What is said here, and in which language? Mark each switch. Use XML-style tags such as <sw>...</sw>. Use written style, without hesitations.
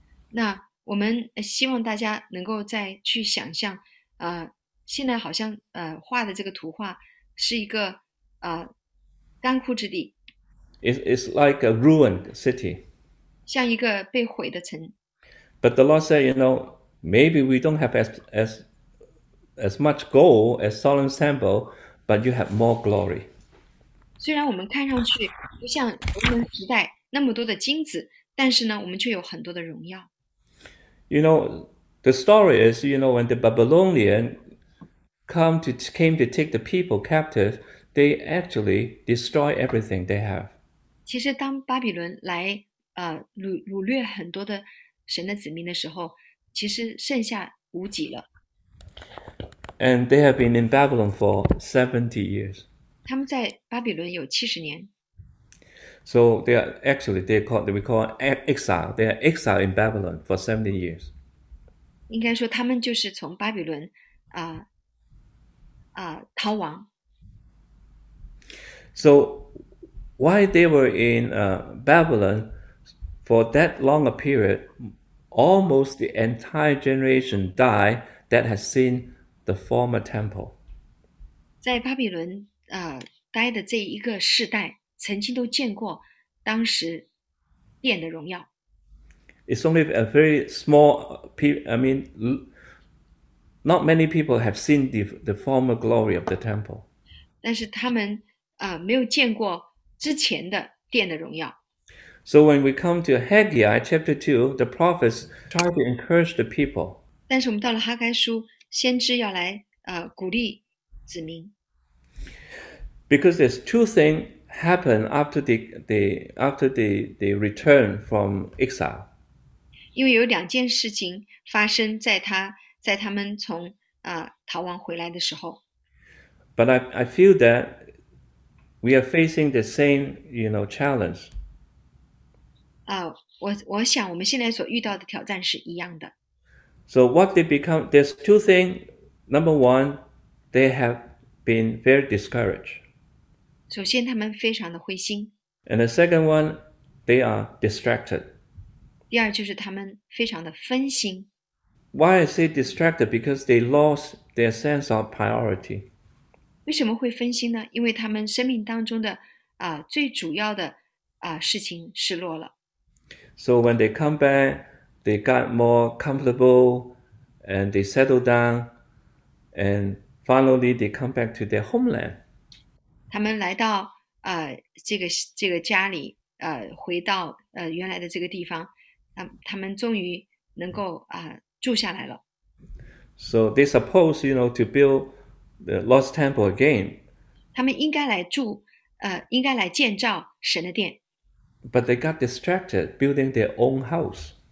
<zh>那我们希望大家能够再去想象，现在好像画的这个图画是一个干枯之地。</zh> <en>It's like a ruined city.</en> <zh>像一个被毁的城，</zh> <en>But the Lord said, you know, maybe we don't have as much gold as Solomon's temple, but you have more glory.</en> <zh>虽然我们看上去不像罗马时代那么多的金子，但是呢，我们却有很多的荣耀。</zh> <en>You know, the story is, you know, when the Babylonian came to take the people captive, They actually destroy everything they have.</en> <zh>其实，当巴比伦来掳掠很多的神的子民的时候，其实剩下无几了。</zh> <en>And they have been in Babylon for 70 years.</en> <zh>他们在巴比伦有70年。</zh> <en>So they are actually we call exile. They are exile in Babylon for 70 years.</en> <zh>应该说，他们就是从巴比伦逃亡。</zh> <en>So why they were in Babylon for that long a period, almost the entire generation died that has seen the former temple.</en> <zh>在巴比伦待的这一个世代，曾经都见过当时殿的荣耀。</zh> <en>It's only a very small people, I mean, not many people have seen the former glory of the temple.</en> <zh>但是他们没有见过之前的殿的荣耀。</zh> <en>So when we come to Haggai chapter 2, the prophets try to encourage the people.</en> <zh>但是我们到了哈该书，先知要来鼓励子民。</zh> <en>Because there's two things happen after they return from exile.</en> <zh>因为有两件事情发生在他们从逃亡回来的时候。</zh> <en>But I feel that we are facing the same, challenge.</en> <zh>我想我们现在所遇到的挑战是一样的。</zh> <en>So what they become, there's two things. Number one, they have been very discouraged.</en> <zh>首先，他们非常的灰心。</zh> <en>And the second one, they are distracted.</en> <zh>第二，就是他们非常的分心。</zh> <en>Why I say distracted? Because they lost their sense of priority.</en> <zh>为什么会分心呢？因为他们生命当中的最主要的事情失落了。</zh> <en>So when they come back, they got more comfortable and they settled down and finally they come back to their homeland.</en> <zh>他们来到这个家里，回到原来的这个地方，他们终于能够住下来了。</zh> <en>So they supposed, to build the lost temple again.</en> <zh>他们应该来建造神的殿，</zh> <en>But they got distracted building their own house.</en>